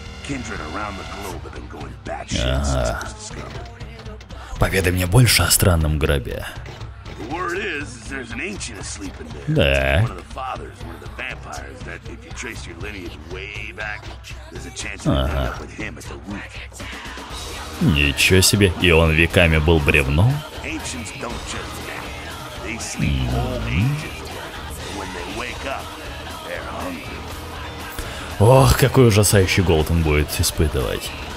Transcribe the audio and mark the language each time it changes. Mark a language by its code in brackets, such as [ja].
[en] Kindred around the globe have been going batshit since it was discovered. [ru] Поведай мне больше о странном гробе. [en] The word is there's an ancient asleep in there. [ru] Да. [en] One of the fathers, one of the vampires that if you trace your lineage way back, there's a chance you end up with him at the root. [ru] Ничего себе, и он веками был бревном? [en] Ancients don't just nap. They sleep all ages. When they wake up, [ru] ох, какой ужасающий голод он будет испытывать.